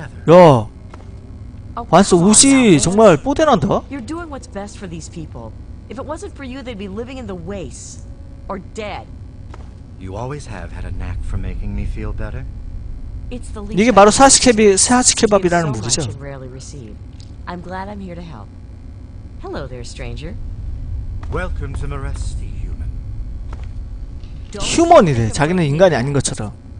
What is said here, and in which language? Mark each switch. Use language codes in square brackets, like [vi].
[ko] 야! 완스 옷이 정말 뽀대난다? [en] You're doing what's best for these people. If it wasn't for you, they'd be living in the wastes. Or dead. You always have had a knack for making me feel better. [ko] 이게 바로 사시케밥이라는 무기죠. [en] I'm glad I'm here to help. Hello there, stranger. Welcome to Moresti, human. [ko] 휴먼이래. 자기는 인간이 아닌 것처럼.